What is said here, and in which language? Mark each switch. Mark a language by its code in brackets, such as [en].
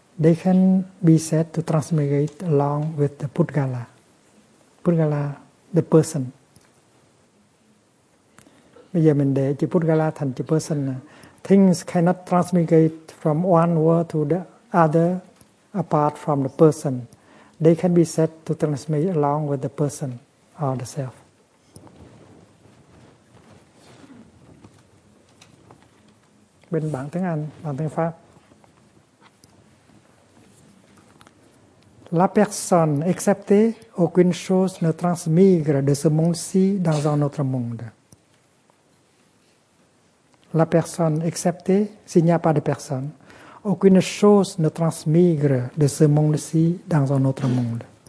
[en] They can be said to transmigrate along with the Putgala. Putgala, the person. [vi] Bây giờ mình để chữ Putgala thành chữ person. [en] Things cannot transmigrate from one world to the other apart from the person. They can be said to transmigrate along with the person or the self. [vi] Bên bản tiếng Anh, bản tiếng Pháp. [fr] La personne acceptée aucune chose ne transmigre de ce monde-ci dans un autre monde. La personne acceptée, s'il n'y a pas de personne, aucune chose ne transmigre de ce monde-ci dans un autre monde.